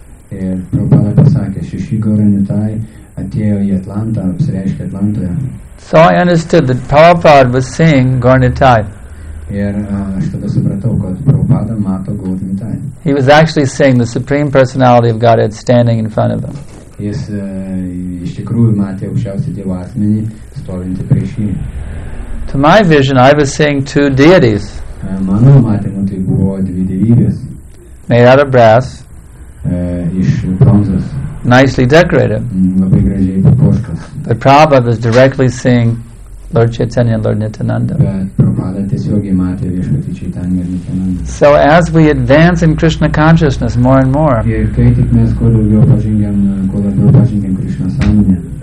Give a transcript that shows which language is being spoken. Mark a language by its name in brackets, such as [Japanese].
[Lithuanian] Ir Prabhupada pasakė, Sri Sri Garnitai atėjo į Atlantą, apsireiškė Atlantoje. [English] So I understood that Prabhupada was seeing Garnitai. [Lithuanian] Ir aš tada supratau, kad Prabhupada mato Garnitai. [English] He was actually seeing the Supreme Personality of Godhead standing in front of him. [Lithuanian] Jis iš tikrųjų matė aukščiausią Dievo asmenį stovintį prieš jį. [English] To my vision, I was seeing two deities. [Lithuanian] Mano matymu, tai buvo dvi dievybės. [English] Made out of brass. [Lithuanian] Iš bronzos. [English] Nicely decorated. [Lithuanian] Labai gražiai papuoštos. [English] But Prabhupada was directly seeing Lord Chaitanya and Lord Nityananda. [Lithuanian] Bet Prabhupada tiesiogiai matė viešpatį Chaitanya ir Nityananda. [English] So as we advance in Krishna consciousness more and more, [Lithuanian] ir kai tik mes kuo daugiau pažingiam Krishna sąmonę,